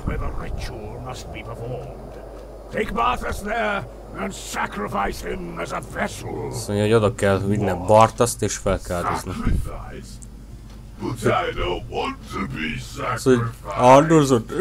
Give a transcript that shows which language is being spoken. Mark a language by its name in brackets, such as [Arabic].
[English] Where the ritual must be performed. Take Barthas there and sacrifice him as a vessel. [Hungarian] Szondja, hogy oda kell vinni Barthaszt és fel kell áldozni. [English] But I don't want to be sacrificed.